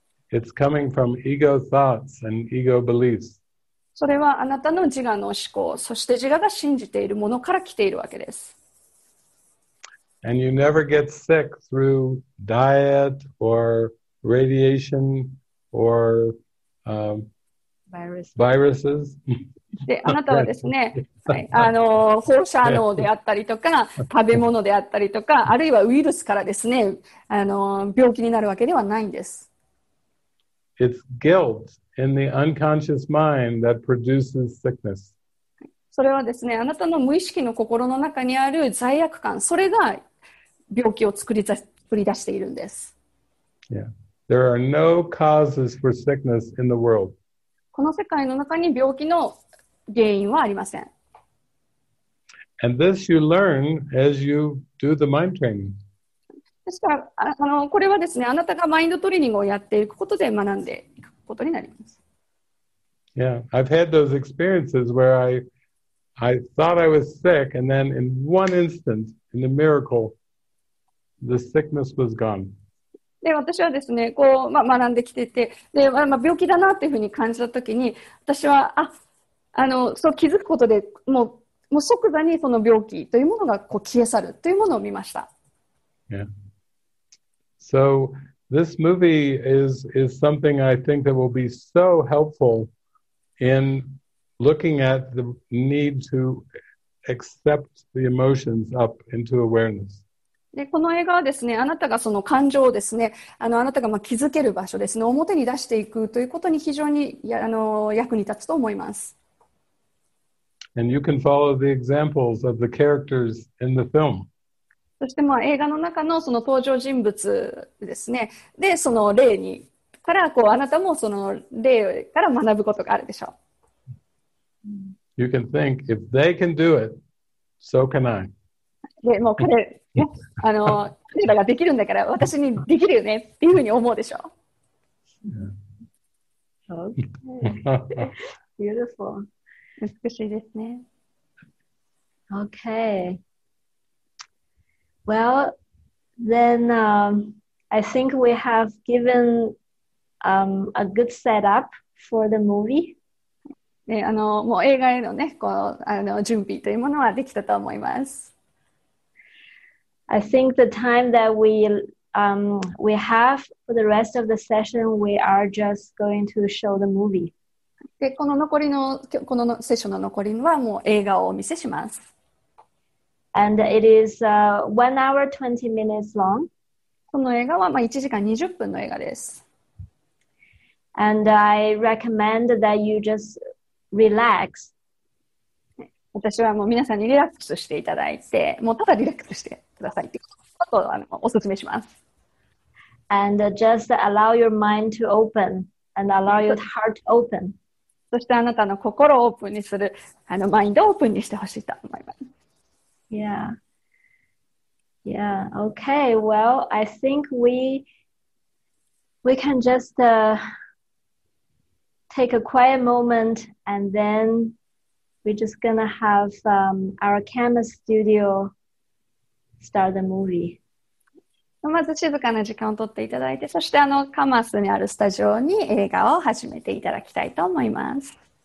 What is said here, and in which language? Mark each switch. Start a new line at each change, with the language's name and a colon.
English: It's coming from ego thoughts and ego beliefs.
Japanese: それはあなたの自我の思考、そして自我が信じているものから来ているわけです。
English: And you never get sick through diet or radiation or viruses.
Japanese: であなたはですね、はい、放射能であったりとか、食べ物であったりとか、あるいはウイルスからですね、病気になるわけではないんです。
English: It's guilt in the unconscious mind that produces sickness.
Japanese: それはですね、あなたの無意識の心の中にある罪悪感、それが病気を作り出しているんです。
English: Yeah. There are no causes for sickness in the world.
Japanese: この世界の中に病気の原因はありません。
English: And this you learn as you do the mind training.
Japanese: ですから、これはですね、あなたがマインドトレーニングをやっていくことで学んでいくことになります。
English: Yeah, I've had those experiences where I thought I was sick, and then in one instant, in a miracle, the sickness was gone.
Japanese: で、私はですね、こう、まあ、学んできてて、で、まあ、病気だなというふうに感じたときに、私は、そう気づくことで、もう即座にその病気というものがこう消え去るというものを見ました。
English: Yeah. So this movie is something I think that will be so helpful in looking at the need to accept the emotions up into awareness.
Japanese: で、この映画はですね、あなたがその感情をですね、あなたがまあ気づける場所ですね、表に出していくということに非常に役に立つと思います。
English: And you can follow the examples of the characters in the film.
Japanese: そして、まあ、映画の中のその登場人物ですね。で、その例にからこうあなたもその例から学ぶことがあるでしょう。
English: You can think if they can do it, so can I.
Japanese: で、もう彼ね、彼らができるんだから私にできるよねっていうふうに思うでしょう。
English: Yeah. Okay. Beautiful.
Japanese: 美しいですね。
English: Okay. Well, then I think we have given a good setup for the movie.
Japanese: ね、もう映画へのね、こう準備というものはできたと思います。
English: I think the time that we have for the rest of the session, we are just going to show the movie.
Japanese: で、この残りの、このセッションの残りはもう映画をお見せします。
English: And it is 1 hour 20 minutes long.
Japanese: この映画はまあ1時間20分の映画です。
English: And I recommend that you just relax.
Japanese: 私はもう皆さんにリラックスしていただいて、もうただリラックスしてくださいということをおすすめします。
English: And just allow your mind to open and allow your heart to open.
Japanese: そしてあなたの心をオープンにする、マインドをオープンにしてほしいと思います。
English: Yeah. Yeah. Okay. Well, I think we can just take a quiet moment and then we're just gonna have our camera studio start the movie.
Japanese: まず静かな時間を取っていただいて、そしてカマスにあるスタジオに映画を始めていただきたいと思います。